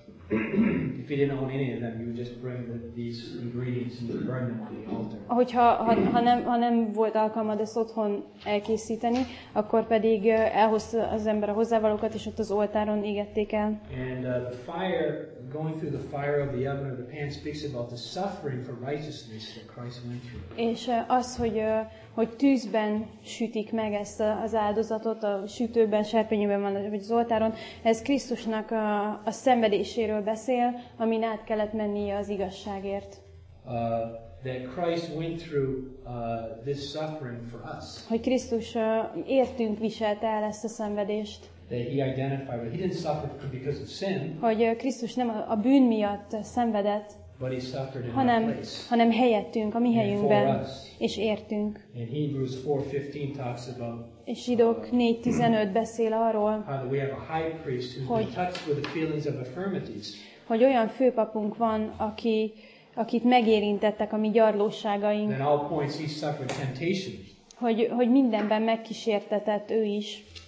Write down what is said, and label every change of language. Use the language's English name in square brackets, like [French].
[English] If you didn't own any of them, you just bring these ingredients and burn them on the altar. [Hungarian] Ha nem volt alkalmad ezt otthon elkészíteni, akkor pedig elhozta az ember a hozzávalókat, és ott az oltáron égették el. [English] And the fire, going through the fire of the oven or the pan, speaks about the suffering for righteousness that Christ went through. [Hungarian] És az, hogy tűzben sütik meg ezt az áldozatot, a sütőben, serpenyőben van, vagy az oltáron, ez Krisztusnak a szenvedéséről beszél, amin át kellett mennie az igazságért. [English] that Christ went through this suffering for us. [Hungarian] Hogy Krisztus értünk viselte el ezt a szenvedést. [English] That he identified with. He didn't suffer because of sin. [Hungarian] Hogy Krisztus nem a bűn miatt szenvedett. [English] But he suffered in [Hungarian] hanem, [English] our place. [Hungarian] Hanem helyettünk, a mi helyünkben, és értünk. [English] And Hebrews 4:15 talks about. [Hungarian] És Zsidók 4:15 beszél arról. [English] How we have a high priest who's been touched with the feelings of infirmities. [Hungarian] Hogy olyan főpapunk van, akit megérintettek a mi gyarlóságaink. [English] In all points he suffered temptation. [Hungarian] Hogy mindenben megkísértetett ő is.